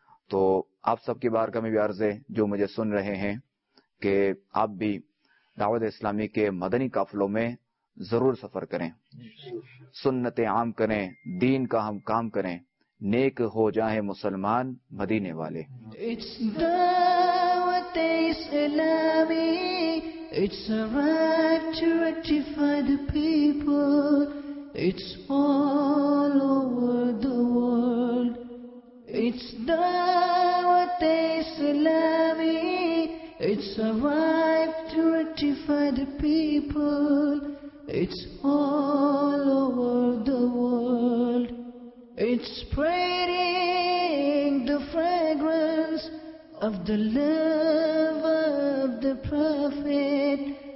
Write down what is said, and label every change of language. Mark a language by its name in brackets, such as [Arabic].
[Urdu] تو آپ سب کی بارگاہ میں بھی عرض ہے جو مجھے سن رہے ہیں کہ آپ بھی دعوت اسلامی کے مدنی قافلوں میں ضرور سفر کریں، سنت عام کریں، دین کا ہم کام کریں، نیک ہو جائیں مسلمان مدینے والے. [English] It's Dawat Islami. It's a right to rectify the people. It's all over the world. It's Dawat Islami. It's a right to rectify the people. It's all over the world. It's spreading the fragrance of the love of the Prophet.